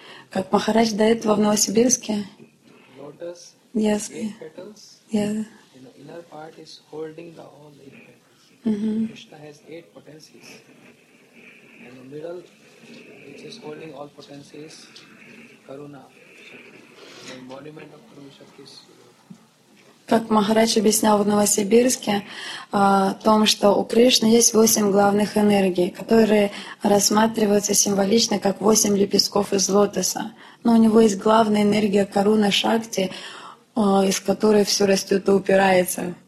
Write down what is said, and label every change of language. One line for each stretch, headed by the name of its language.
Russian: Как Махарадж до этого в Новосибирске.
English: Lotus, yes. Yeah. Inner part is holding the all eight petals. Mm-hmm. Krishna has eight potencies. And the middle, which is holding all potencies, Karuna. The embodiment of Karuna Shakti is...
Russian: Как Махарадж объяснял в Новосибирске о том, что у Кришны есть восемь главных энергий, которые рассматриваются символично как восемь лепестков из лотоса. Но у него есть главная энергия Каруна Шакти, из которой все растет и упирается.